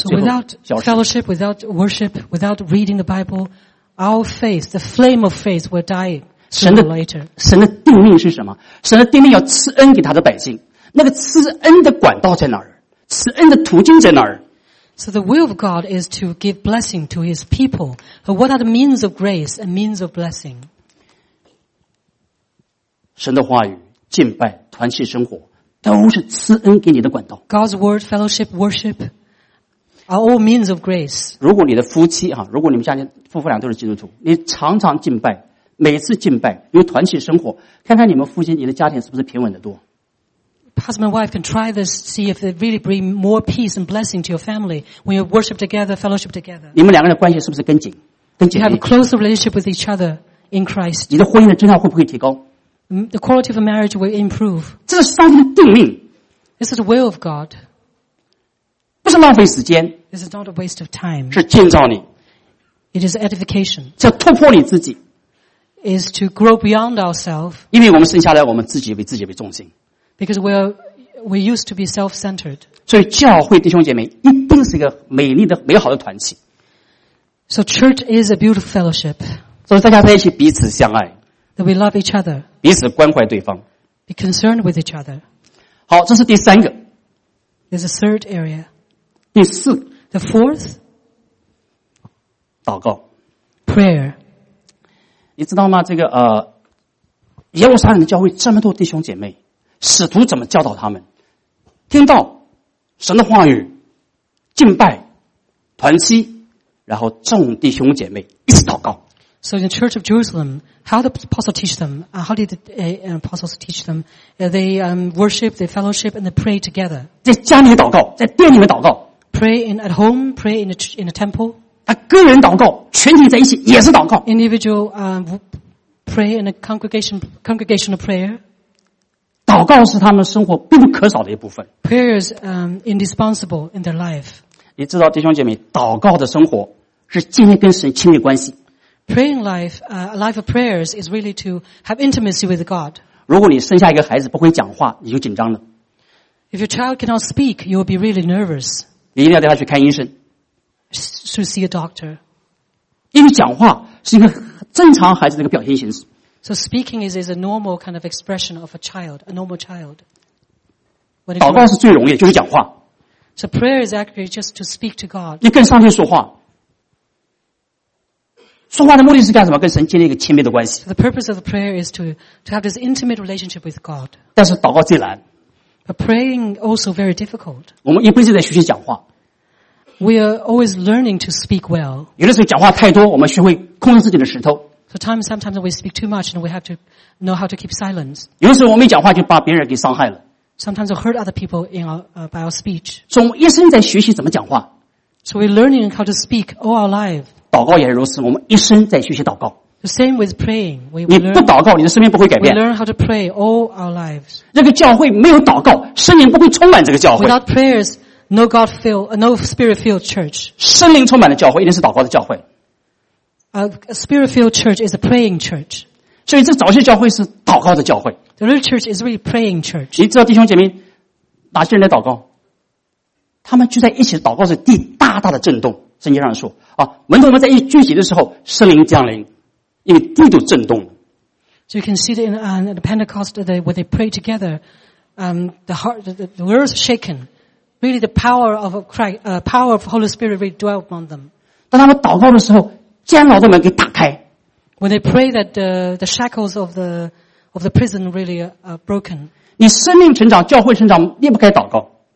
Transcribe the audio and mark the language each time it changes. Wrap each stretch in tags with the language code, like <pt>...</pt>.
<en>So without fellowship, without worship, without reading the Bible, our faith, the flame of faith, will die sooner or later.</en> <zh>神的定命是什么？神的定命要赐恩给他的百姓。那个赐恩的管道在哪儿？赐恩的途径在哪儿</zh> <en>？So the will of God is to give blessing to His people. But what are the means of grace and means of blessing?</en> <zh>神的话语、敬拜、团契生活，都是赐恩给你的管道。</zh> <en>God's word, fellowship, worship are all means of grace.</en> <zh>如果你的夫妻啊，如果你们家庭夫妇俩都是基督徒，你常常敬拜，每次敬拜有团契生活，看看你们夫妻，你的家庭是不是平稳的多？</zh> <en>Husband and wife can try this, see if it really bring more peace and blessing to your family when you worship together, fellowship together.</en> <zh>你们两个人的关系是不是更紧？更紧。</zh> <en>You have a closer relationship with each other in Christ.</en> <zh>你的婚姻的质量会不会提高</zh> <en>？The quality of a marriage will improve.</en> <zh>这是上帝的定命。</zh> <en>This is the will of God.</en> <zh>不是浪费时间。</zh> <en>This is not a waste of time.</en> <zh>是建造你。</zh> <en>It is edification.</en> <zh>是突破你自己。</zh> <en>Is to grow beyond ourselves.</en> <zh>因为我们生下来，我们自己为自己为中心。</zh> <en>Because we used to be self-centered.</en> <zh>所以教会弟兄姐妹一定是一个美丽的美好的团契。</zh> <en>So church is a beautiful fellowship.</en> <zh>所以大家在一起彼此相爱。</zh> <en>That we love each other.</en> <zh>彼此关怀对方。</zh> <en>Be concerned with each other.</en> <zh>好，这是第三个。</zh> <en>There's a third area.</en> <zh>第四。</zh> <en>The fourth.</en> <zh>祷告。</zh> <en>Prayer.</en> <zh>你知道吗？这个耶路撒冷的教会这么多弟兄姐妹。使徒怎么教导他们？听到神的话语，敬拜，团契，然后众弟兄姐妹一起祷告。</zh> <en>So in the Church of Jerusalem, how the apostles teach them? How did the apostles teach them? They worship, they fellowship, and they pray together.</en> <zh>在家里祷告，在殿里面祷告。</zh> <en>Pray in at home, pray in the temple.</en> <zh>他个人祷告，群体在一起也是祷告。</zh> <en>Individual pray in a congregational prayer.</en> <zh>祷告是他们生活必不可少的一部分。</zh> <en>Prayer is indispensable in their life.</en> <zh>你知道弟兄姐妹祷告的生活是建立跟神亲密关系。</zh> <en>praying life, a life of prayers is really to have intimacy with God.</en> <zh>如果你生下一个孩子不会讲话，你就紧张了。</zh> <en>If your child cannot speak, you will be really nervous.</en> <zh>你一定要带他去看医生。</zh> <en>To see a doctor.</en> <zh>因为讲话是一个正常孩子的一个表现形式。</zh> <en>So speaking is a normal kind of expression of a child, a normal child.</en> <zh>祷告是最容易的，就是讲话。</zh> <en>So prayer is actually just to speak to God.</en> <zh>你跟上帝说话。说话的目的是干什么？跟神建立一个亲密的关系。</zh> <en>The purpose of the prayer is to have this intimate relationship with God.</en> <zh>但是祷告最难。</zh> <en>But praying also very difficult.</en> <zh>我们一辈子在学习讲话。</zh> <en>We are always learning to speak well.</en> <zh>有的时候讲话太多，我们学会控制自己的舌头。</zh> <en>So sometimes we speak too much, and we have to know how to keep silence.</en> <zh>有的时候我们一讲话就把别人给伤害了。</zh> <en>Sometimes we hurt other people in our, by our speech.</en> <zh>所以我们一生在学习怎么讲话。</zh> <en>So we're learning how to speak all our life.</en> <zh>祷告也如此，我们一生在学习祷告。</zh> <en>The same with praying.</en> <zh>你不祷告，你的生命不会改变。</zh> <en>We learn how to pray all our lives.</en> <zh>这个教会没有祷告，圣灵不会充满这个教会。</zh> <en>Without prayers, no God fill, no Spirit filled church.</en> <zh>圣灵充满的教会一定是祷告的教会。</zh> <en>A Spirit filled church is a praying church.</en> <zh>所以这早期教会是祷告的教会。</zh> <en>The early church is really praying church.</en> <zh>你知道弟兄姐妹哪些人在祷告？他们聚在一起祷告是第大大的震动，圣经上说啊，门徒们在一聚集的时候，圣灵降临，因为地都震动了。</zh> <en>So you can see that in the Pentecost day when they pray together, the heart, the world is shaken. Really, the power of Christ, power of Holy Spirit really dwell upon them.</en> <zh>当他们祷告的时候，监牢的门给打开。</zh> <en>When they pray that the shackles of the prison really are broken.</en> <zh>你生命成长，教会成长，离不开祷告。</zh>